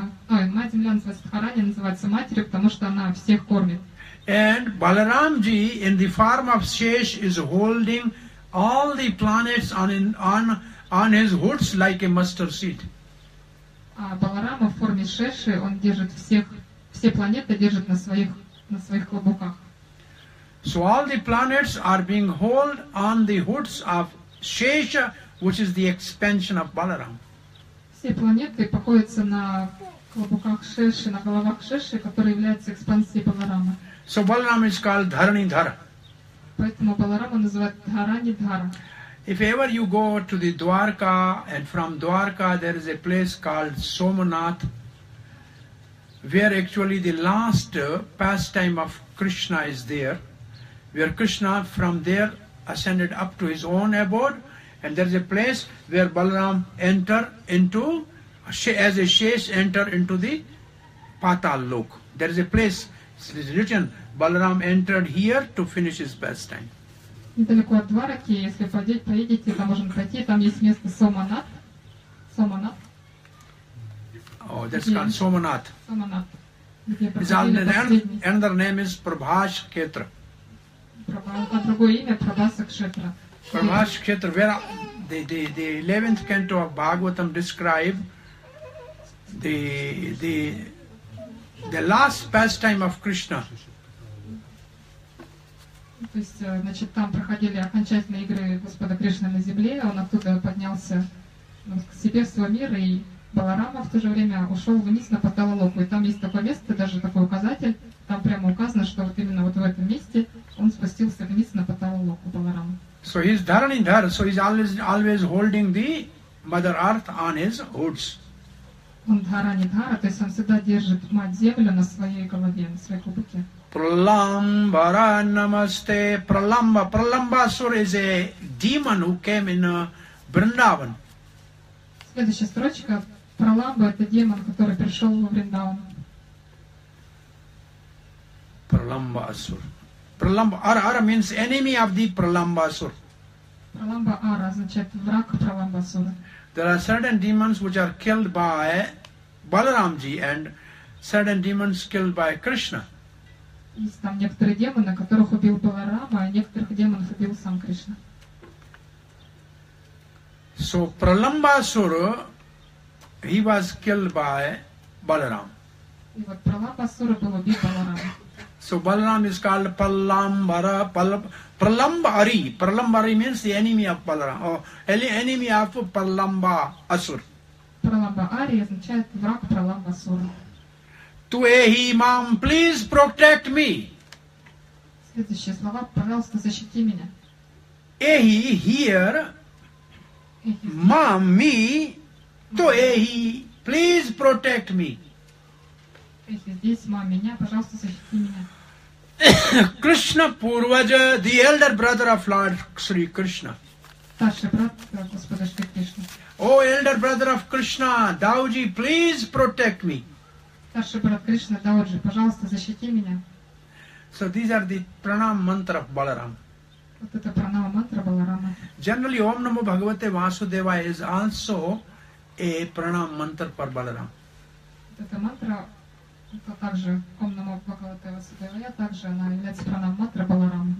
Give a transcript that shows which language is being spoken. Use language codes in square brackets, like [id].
[ru] Мать-Земля называется Матерью, потому что она всех кормит. [en] And Balaramji in the form of Shesh is holding all the planets on his hoods like a mustard seed. [ru] А Баларама в форме Шеши, он держит все планеты держит на своих клобуках. [en] So all the planets are being held on the hoods of Shesha, which is the expansion of Balaram. [ru] Все планеты покоятся на клобуках Шеши, на головах Шеши, которые являются экспансией Баларамы. [en] So Balaram is called Dharani Dhara. [ru] Поэтому Баларама называют Dharani Dhara. [en] If ever you go to the Dwarka, and from Dwarka there is a place called Somnath, where actually the last pastime of Krishna is there, where Krishna from there ascended up to his own abode, and there is a place where Balaram enter into, as a shesh enter into the Patal Lok. There is a place, it is written, Balaram entered here to finish his pastime. [ru] Недалеко от Двараки, если поедете, там можно пройти, там есть место Соманат. Соманат. [en] Oh, that's [ru] где? [en] Called Somnath. Somnath. Another name is Prabhas Khetra. [ru] Другое имя Prabhas Khetra. [en] Prabhas Khetra, where the 11th canto of Bhagavatam describe the last pastime of Krishna. [ru] То есть, значит, там проходили окончательные игры Господа Кришны на земле, он оттуда поднялся к себе в свой мир, и Баларама в то же время ушел вниз на Паталалоку. И там есть такое место, даже такой указатель, там прямо указано, что вот именно вот в этом месте он спустился вниз на Паталалоку, Баларама. [en] So he's Dharanidhar, so he's always holding the Mother Earth on his hoods. [ru] Он Dharanidhar, то есть он всегда держит Мать-Землю на своей голове, на своей кубке. [sa] Pralambara namaste. Pralamba. [en] Pralambasura is a demon who came in Vrindavan. [ru] Следующая строчка. Pralamba – это демон, который пришел в Vrindavan. [en] Pralambasura. Pralamba ara means enemy of the Pralambasura. [ru] Pralamba ara означает враг Pralambasura. [en] There are certain demons which are killed by Balaramji and certain demons killed by Krishna. [ru] Есть там некоторые демоны, которых убил Баларама, а некоторых демонов убил сам Кришна. [en] So Pralambasura, he was killed by Balaram. [ru] И вот Pralambasura был убит Баларама. [en] So Balaram is called Pralambara, Pralambari. Pralambari means the enemy of Balaram, or enemy of Pralambasura. [ru] Pralambari означает враг Pralambasura. [en] Tuehi mam, please protect me. [ru] Следующие слова, пожалуйста, защити меня. [en] Ehi, here. Mam, me. Tuehi, please protect me. [ru] Ehi, здесь, мам, меня, пожалуйста, защити меня. [en] Krishna Purvaja, the elder brother of Lord Sri Krishna. [ru] Старший брат Господа Шри Кришна. [en] Oh, elder brother of Krishna, Dauji, please protect me. [ru] Старший брат Кришна, Дауджи, пожалуйста, защити меня. [en] So these are the pranam mantra of Balaram. [ru] Вот это пранама мантра Баларама. [en] Generally, Om Namo Bhagavate Vasudevaya is also a pranam mantra for Balaram. [ru] Вот эта мантра, это также Om Namo Bhagavate Vasudevaya, также она является пранам мантра Баларама.